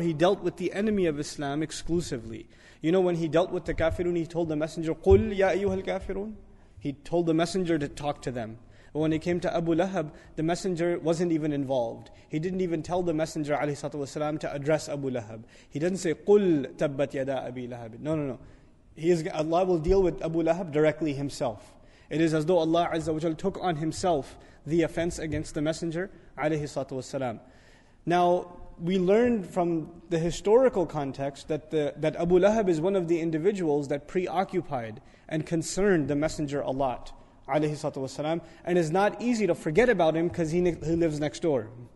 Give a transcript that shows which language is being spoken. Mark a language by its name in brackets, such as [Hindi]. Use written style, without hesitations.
[English] He dealt with the enemy of Islam exclusively. You know, when he dealt with the kafirun, he told the messenger, [Arabic] قُلْ يَا أَيُّهَا الْكَافِرُونَ. [English] He told the messenger to talk to them. When it came to Abu Lahab, the messenger wasn't even involved. He didn't even tell the messenger alayhi salatu wasalam to address Abu Lahab. He didn't say [Arabic] قُلْ تَبَّتْ يَدَا أَبِي لَهَبٍ. [English] No. Allah will deal with Abu Lahab directly himself. It is as though Allah Azza wa Jalla took on himself the offense against the messenger alayhi salatu wasalam. Now, we learned from the historical context that Abu Lahab is one of the individuals that preoccupied and concerned the messenger a lot, alayhi salatu wasalam, and it's not easy to forget about him because he lives next door.